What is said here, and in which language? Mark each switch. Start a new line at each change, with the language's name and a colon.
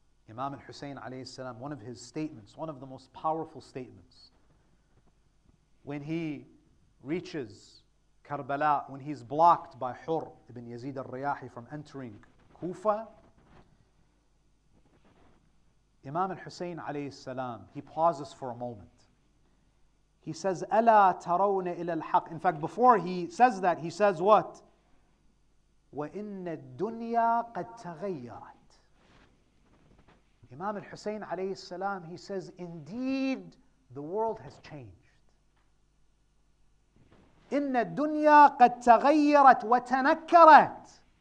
English: Imam al-Husayn alayhi salam, one of his statements, one of the most powerful statements, when he reaches Karbala, when he's blocked by Hur ibn Yazid al-Riyahi from entering Kufa, Imam al-Husayn alayhi salam, he pauses for a moment. He says,
Arabic: أَلَا تَرَوْنَ إِلَى الْحَقِّ.
English: In fact, before he says that, he says what?
Arabic: وَإِنَّ الدُّنْيَا قَدْ تَغَيَّرَتْ.
English: Imam al-Husayn alayhi salam, he says, indeed, the world has changed.
Arabic: إِنَّ الدُّنْيَا قَدْ تَغَيَّرَتْ وَتَنَكَّرَتْ.